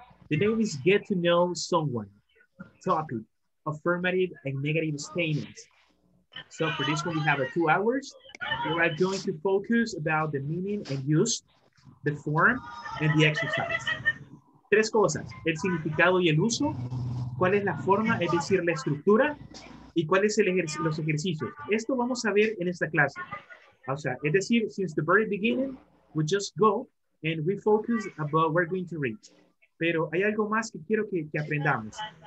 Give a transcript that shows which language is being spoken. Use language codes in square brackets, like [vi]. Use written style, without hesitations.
[en] The name is Get to Know Someone. Topic, affirmative and negative statements. So for this one, we have 2 hours. We are going to focus about the meaning and use, the form, and the exercise. [es] Tres cosas, el significado y el uso. ¿Cuál es la forma, es decir, la estructura? ¿Y cuál es los ejercicios? Esto vamos a ver en esta clase. O sea, es decir, [en] since the very beginning, we just go and we focus about what we're going to read. [es] Pero hay algo más que quiero que aprendamos.